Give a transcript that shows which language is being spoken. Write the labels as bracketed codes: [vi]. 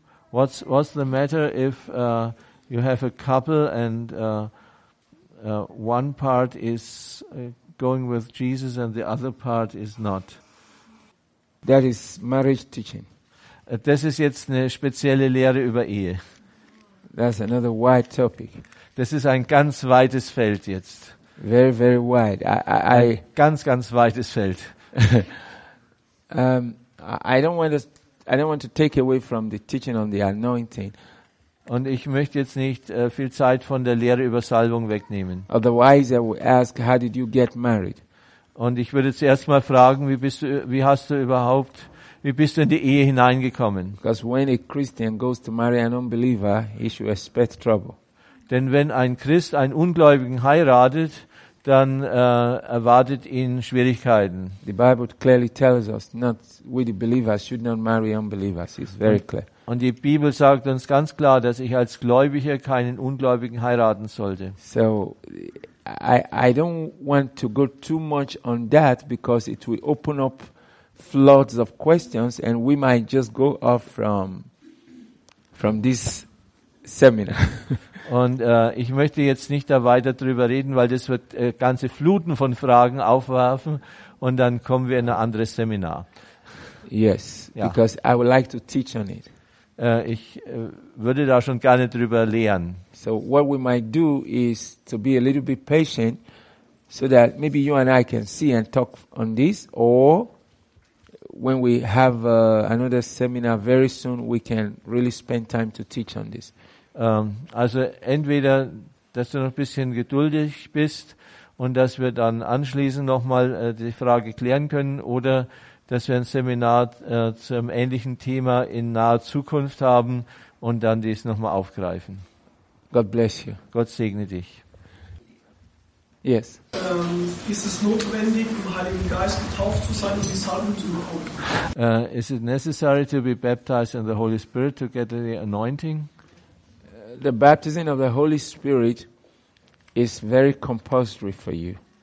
[en] What's the matter if you have a couple and one part is going with Jesus and the other part is not? That is marriage teaching. [de] Das ist jetzt eine spezielle Lehre über Ehe. [en] That's another wide topic. [de] Das ist ein ganz weites Feld jetzt. [en] Very, very wide. [de] Ganz weites Feld. [en] I don't want to take away from the teaching on the anointing. [de] Und ich möchte jetzt nicht viel Zeit von der Lehre über Salbung wegnehmen. [en] Otherwise, I would ask, how did you get married? [de] Und ich würde zuerst mal fragen, wie bist du in die Ehe hineingekommen? [en] Because when a Christian goes to marry an unbeliever, he should expect trouble. [de] Denn wenn ein Christ einen Ungläubigen heiratet, dann erwartet ihn Schwierigkeiten. [en] The Bible clearly tells us not we the believers should not marry unbelievers. It's very clear. [de] Und die Bibel sagt uns ganz klar, dass ich als Gläubiger keinen Ungläubigen heiraten sollte. [en] So I don't want to go too much on that because it will open up floods of questions and we might just go off from this seminar. [de] Und ich möchte jetzt nicht da weiter drüber reden, weil das wird ganze Fluten von Fragen aufwerfen und dann kommen wir in ein anderes Seminar. [en] Yes, ja. Because I would like to teach on it. [de] Ich würde da schon gerne drüber lehren. [en] So what we might do is to be a little bit patient so that maybe you and I can see and talk on this or when we have another seminar very soon we can really spend time to teach on this. [de] Also entweder, dass du noch ein bisschen geduldig bist und dass wir dann anschließend nochmal die Frage klären können oder dass wir ein Seminar zu einem ähnlichen Thema in naher Zukunft haben und dann dies nochmal aufgreifen. [en] God bless you. [de] Gott segne dich. [en] Yes. [de] Ist es notwendig, im Heiligen Geist getauft zu sein, um die Salbung zu bekommen? [en] Is it necessary to be baptized in the Holy Spirit to get the anointing? The baptism of the Holy Spirit is very compulsory for you.